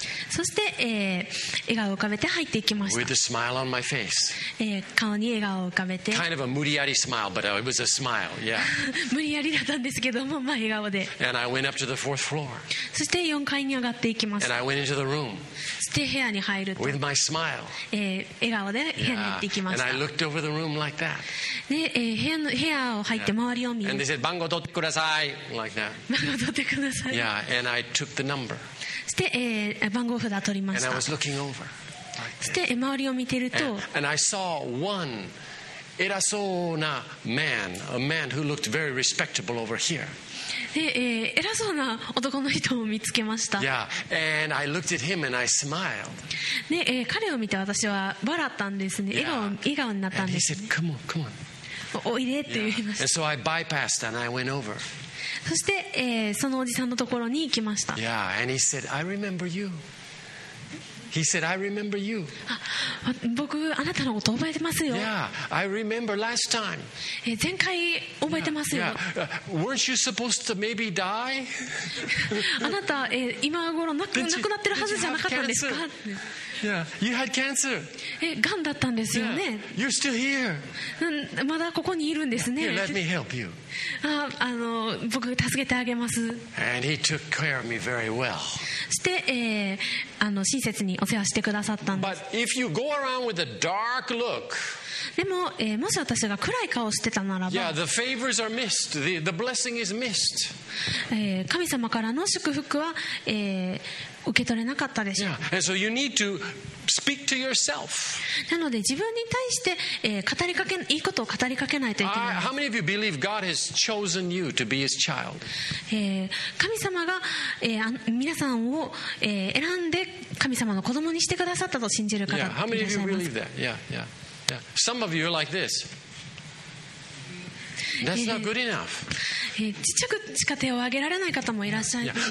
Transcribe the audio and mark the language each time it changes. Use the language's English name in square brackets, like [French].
[Japanese] そして、笑顔を浮かべて入っていきました。 [English] With a smile on my face. [Japanese] 顔に笑顔を浮かべて。 [English] Kind of a 無理やり smile, but it was a smile. Yeah. [Japanese] 無理やりだったんですけども、まあ笑顔で。 [English] And I went up to the fourth floor. [Japanese] そして4階に上がっていきました。 [English] And I went into the room. [Japanese] で部屋に入ると、 [English] With my smile. [Japanese] 笑顔で部屋に入っていきました。 Yeah. [English] And I looked over the room like that. [Japanese] で、部屋を入って周りを見る。 [English] Yeah. And they said, [Japanese] 番号取ってください。 [English] Like that. [Japanese] 番号取ってください。 [English] Yeah. And I took the number. [Japanese] して、番号札を取りました。 [English] And I was looking over. [Japanese] して周りを見てると [English] and I saw one偉そうな man a man who looked very respectable over here [Japanese] で、偉そうな男の人を見つけました [English] yeah and I looked at him and I smiled [Japanese] で、彼を見て私は笑ったんですね、yeah. 笑顔になったんですね [English] and he said come on come on [Japanese] おいでって言いました、yeah. [English] and so I bypassed and I went over [Japanese] そして、そのおじさんのところに行きました。 [English] Yeah, and he said, I remember you. He said, I remember you. [Japanese] あ、僕、あなたのこと覚えてますよ。 [English] Yeah, I remember last time. [Japanese] 前回覚えてますよ。 [English] Weren't you supposed to maybe die? [Japanese] あなた、今頃亡くなってるはずじゃなかったんですか？ [English] Yeah, you had cancer. [Japanese] がんだったんですよね。 [English] Yeah, you're still here. [Japanese] まだここにいるんですね。 [English] Yeah, let me help you. [Japanese] あの、僕助けてあげます。 [English] And he took care of me very well. [Japanese] そして、親切にお世話してくださったんです。 [English] But if you go around with a dark look, [Japanese] でも、もし私が暗い顔をしてたならば、 [English] yeah, the favors are missed. The blessing is missed. [Japanese] 神様からの祝福は、受け取れなかったでしょう。 [English] Yeah, and so you need to speak to yourself. [Japanese] なので自分に対して、語りかけいいことを語りかけないといけない。 [English] How many of you believe God has chosen you to be His child? [Japanese] 神様が、皆さんを、選んで神様の子供にしてくださったと信じる方いらっしゃいますか。 [English] Yeah, how many of you believe that? Yeah, yeah, yeah. Some of you are like this. That's not good enough. [Japanese] ちっちゃくしか手を挙げられない方もいらっしゃいます。